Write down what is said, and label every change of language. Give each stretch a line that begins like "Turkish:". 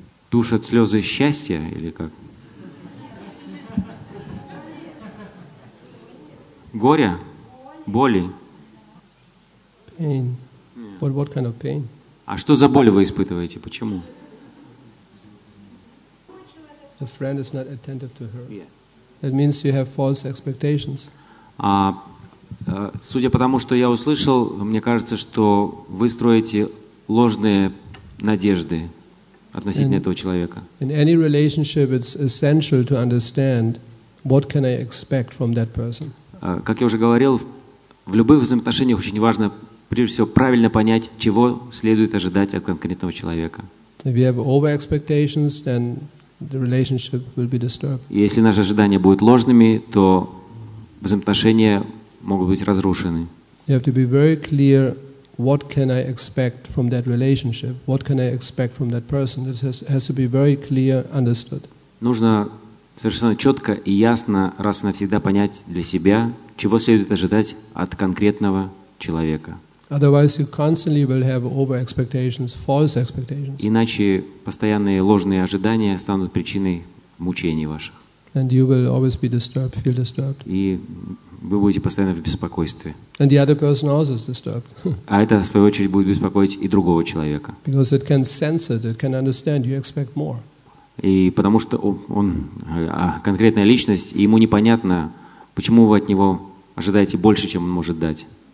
Russian: Душат слезы счастья или как? Горя? Боли?
English: Pain. Yeah. But what kind of pain?
Russian: А что за боль вы испытываете? Почему?
English: The friend is not attentive to her. Yeah. That means you have false expectations.
Russian: А судя по тому, что я услышал, мне кажется, что вы строите ложные надежды относительно этого человека.
English: In any relationship, it's essential to understand what can I expect from that person.
Russian: Как я уже говорил, в любых взаимоотношениях очень важно, прежде всего, правильно понять, чего следует ожидать от конкретного человека.
English: If you have over expectations, then the relationship will be disturbed.
Russian: Если наши ожидания будут ложными, то взаимоотношения могут быть разрушены.
English: You have to be very clear what can I expect from that relationship, what can I expect from that person. This has to be very clear understood.
Russian: Нужно совершенно четко и ясно раз и навсегда понять для себя, чего следует ожидать от конкретного человека.
English: Otherwise, you constantly will have over expectations, false expectations.
Russian: Иначе постоянные ложные ожидания станут причиной мучений ваших.
English: And you will always be disturbed, feel disturbed.
Russian: И вы будете постоянно в беспокойстве.
English: And the other person also is disturbed.
Russian: А это в свою очередь будет беспокоить и другого человека.
English: Because it can sense it, it can understand. You expect more.
Russian: И потому что он конкретная личность, и ему непонятно, почему вы от него ожидаете больше, чем он может дать.